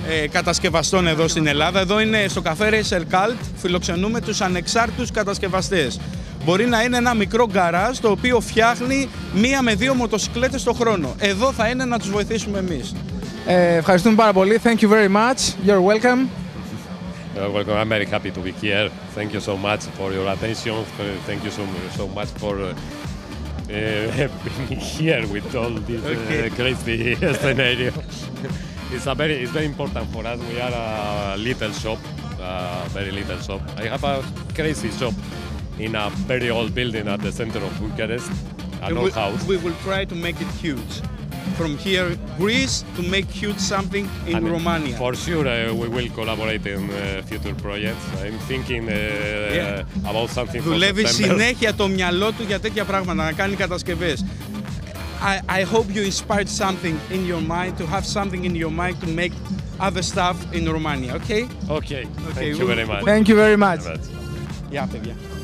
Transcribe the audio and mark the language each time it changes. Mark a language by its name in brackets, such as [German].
[Greek] Κατασκευαστών εδώ στην Ελλάδα. Εδώ είναι στο καφέ Racer Cult, φιλοξενούμε τους ανεξάρτητους κατασκευαστές. Μπορεί να είναι ένα μικρό γκαράζ το οποίο φτιάχνει μία με δύο μοτοσυκλέτες το χρόνο. Εδώ θα είναι να τους βοηθήσουμε εμείς. Ευχαριστούμε πάρα πολύ. [English] Thank you very much. You're welcome. You're welcome. I'm very happy to be here. Thank you so much for your attention. Thank you so much for being here with all this crazy scenario. It's very important for us. We are a little shop, a very little shop. I have a crazy shop in a very old building at the center of Bucharest, an old house. We will try to make it huge. From here, Greece, to make huge something in and Romania. For sure, we will collaborate in future projects. I'm thinking about something for [Greek] Δουλεύει συνέχεια το μυαλό του για τέτοια πράγματα, να κάνει κατασκευές. [English] I hope you inspired something in your mind, to have something in your mind to make other stuff in Romania, okay? Okay, okay. Thank you very much. Thank you very much. [Greek] Yeah, παιδιά.